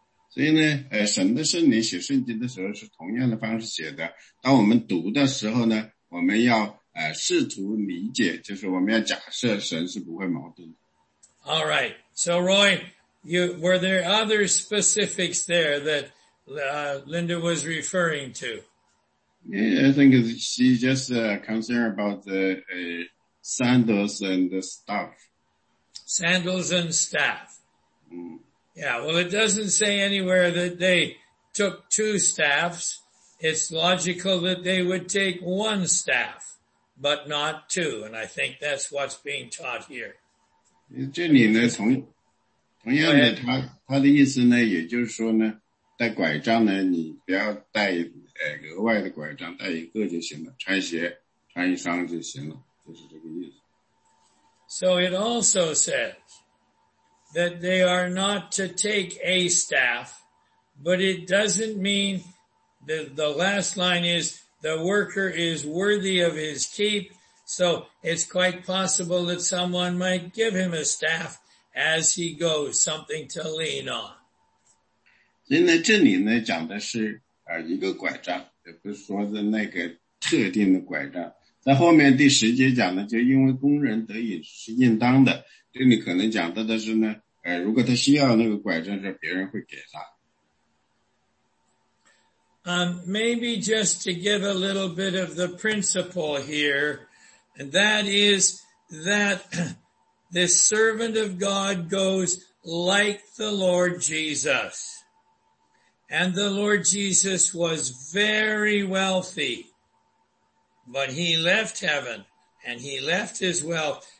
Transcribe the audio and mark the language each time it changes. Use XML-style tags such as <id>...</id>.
<zh>所以呢，神的圣灵写圣经的时候是同样的方式写的。当我们读的时候呢，我们要试图理解，就是我们要假设神是不会矛盾的。</zh> <en>All right, so Roy, were there other specifics there that Linda was referring to? Yeah, I think she just concerned about the sandals and the staff. Sandals and staff. Yeah, well, it doesn't say anywhere that they took two staffs. It's logical that they would take one staff, but not two. And I think that's what's being taught here.</en> <zh>这里呢，同样的，他的意思呢，也就是说呢，带拐杖呢，你不要带额外的拐杖，带一个就行了，穿鞋，穿一双就行了，就是这个意思。</zh> <en>So it also says that they are not to take a staff, but it doesn't mean that the last line is the worker is worthy of his keep. So it's quite possible that someone might give him a staff as he goes, something to lean on.</en> <zh>所以呢，这里呢讲的是一个拐杖，也不是说的那个特定的拐杖。在后面第十节讲的就因为工人得饮是应当的，这里可能讲到的是呢，如果他需要那个拐杖，是别人会给他。</zh> <en>Maybe just to give a little bit of the principle here, and that is that this servant of God goes like the Lord Jesus. And the Lord Jesus was very wealthy, but he left heaven and he left his wealth.</en>